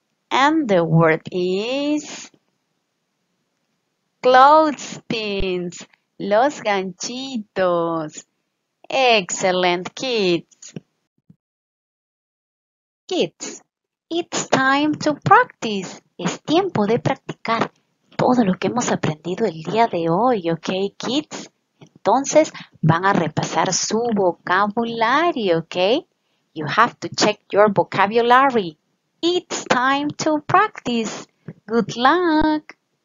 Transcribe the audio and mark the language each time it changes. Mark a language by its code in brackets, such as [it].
[en] And the word is clothespins, [es] los ganchitos. [en] Excellent, kids. Kids, it's time to practice. [es] Es tiempo de practicar todo lo que hemos aprendido el día de hoy, ¿ok, kids? Entonces, van a repasar su vocabulario, ¿ok? [en] You have to check your vocabulary. It's time to practice. Good luck.